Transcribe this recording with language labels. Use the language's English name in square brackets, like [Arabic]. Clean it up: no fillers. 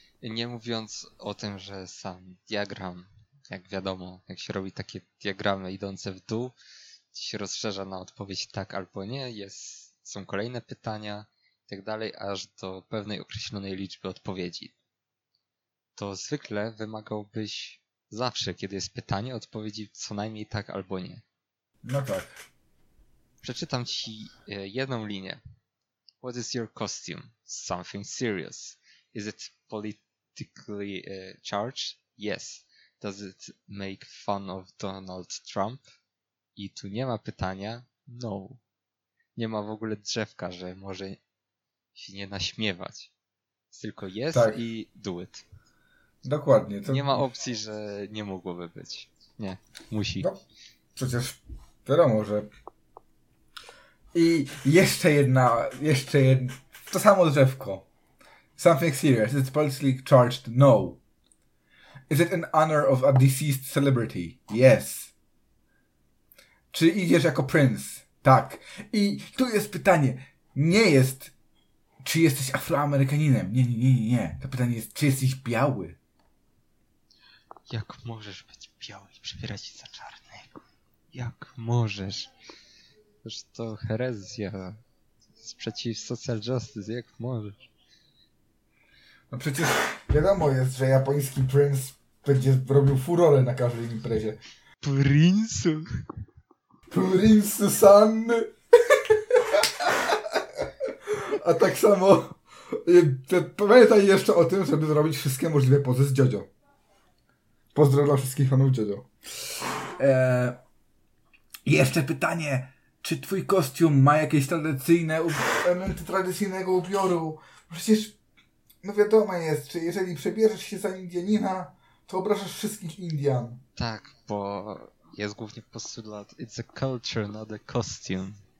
[Polish] Nie mówiąc o tym, że sam diagram, jak wiadomo, jak się robi takie diagramy idące w dół, się rozszerza na odpowiedź tak albo nie, są kolejne pytania i tak dalej, aż do pewnej określonej liczby odpowiedzi. To zwykle wymagałbyś zawsze, kiedy jest pytanie, odpowiedzi co najmniej tak albo nie. No tak. Przeczytam ci jedną linię. [English] What is your costume? Something serious. Is it politically charged? Yes. Does it make fun of Donald Trump? [Polish] I tu nie ma pytania. No. Nie ma w ogóle drzewka, że może się nie naśmiewać. Tylko yes, tak. [English] I do it. [Polish] Dokładnie. To... Nie ma opcji, że nie mogłoby być. Nie, musi. No, przecież wiadomo, że... I jeszcze jedna... To samo drzewko. [English] Something serious. Is it politically charged? No. Is it in honor of a deceased celebrity? Yes. [Polish] Czy idziesz jako prince? Tak. I tu jest pytanie. Nie jest, czy jesteś Afroamerykaninem. Nie. To pytanie jest, czy jesteś biały? Jak możesz być biały i przebierać się za czarnego? Jak możesz? To herezja. Sprzeciw social justice. Jak możesz? No przecież wiadomo jest, że japoński prince będzie robił furorę na każdej imprezie. Prince? Prince san? A tak samo pamiętaj jeszcze o tym, żeby zrobić wszystkie możliwe pozy z Jojo. Pozdrow dla wszystkich fanów Jojo. Jeszcze pytanie. Czy twój kostium ma jakieś tradycyjne elementy tradycyjnego ubioru? Przecież no wiadomo jest, czy jeżeli przebierzesz się za Indianina, to obrażasz wszystkich Indian. Tak, bo Jest głównie postulat. [English] It's a culture, not a costume.